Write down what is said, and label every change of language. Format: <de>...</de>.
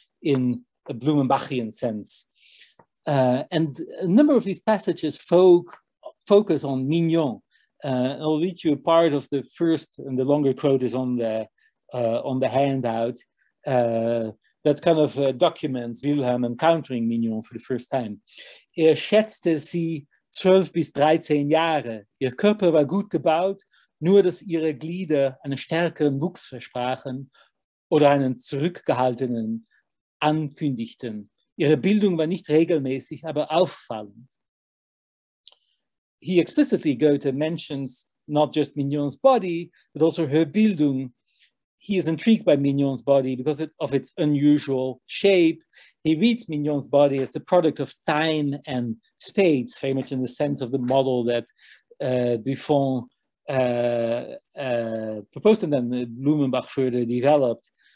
<en>in a Blumenbachian sense. And a number of these passages focus on Mignon. I'll read you a part of the first, and the longer quote is on the handout, that kind of documents Wilhelm encountering Mignon for the first time.</en> <de>Er schätzte sie 12 bis 13 Jahre. Ihr Körper war gut gebaut, nur dass ihre Glieder einen stärkeren Wuchs versprachen oder einen zurückgehaltenen ankündigten. Ihre Bildung war nicht regelmäßig, aber auffallend.</de> <en>He explicitly, Goethe, mentions not just Mignon's body, but also her Bildung. He is intrigued by Mignon's body because of its unusual shape. He reads Mignon's body as the product of time and space, very much in the sense of the model that Buffon proposed and then Blumenbach further developed.</en>